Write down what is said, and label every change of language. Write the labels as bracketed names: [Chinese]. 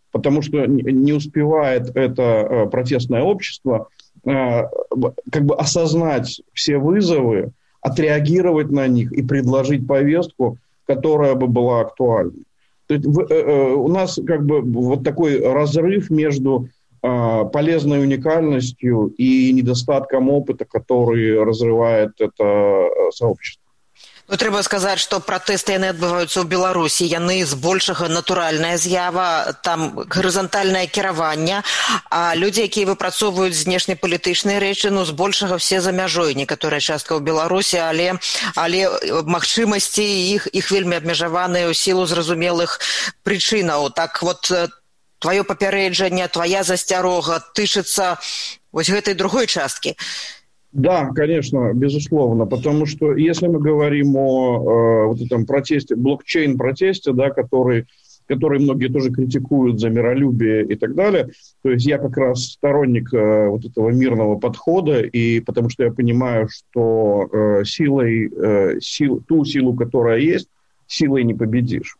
[Russian] Потому что не успевает это протестное общество как бы осознать все вызовы, отреагировать на них и предложить повестку, которая бы была актуальна. То есть у нас как бы вот такой разрыв между полезной уникальностью и недостатком опыта, который разрывает это сообщество. [Belarusian] Ну, трэба сказаць, што пратэсты яны адбываюцца ў Беларусі, яны збольшага натуральная з'ява, там гарызантальнае кіраванне, а людзі, якія выпрацоўваюць знешнепалітычныя рэчы, ну, збольшага все за мяжой, некаторая частка ў Беларусі, але магчымасці іх вельмі абмежаваныя ў сілу зразумелых прычынаў. Так вот, тваё папярэджанне, твая засцярога тычыцца вось гэтай другой часткі. [Russian] Да, конечно, безусловно, потому что если мы говорим о вот этом протесте, блокчейн-протесте, да, который многие тоже критикуют за миролюбие и так далее, то есть я как раз сторонник вот этого мирного подхода, и потому что я понимаю, что силу, которая есть, силой не победишь.